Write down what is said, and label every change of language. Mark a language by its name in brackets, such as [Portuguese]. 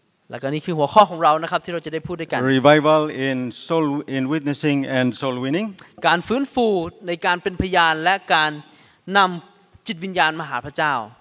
[Thai] แล้วก็นี่คือหัวข้อของเรานะครับที่เราจะได้พูดด้วยกัน [English] Revival in soul in witnessing and soul winning [Thai] การฟื้นฟูในการเป็นพยานและการนำจิตวิญญาณมาหาพระเจ้า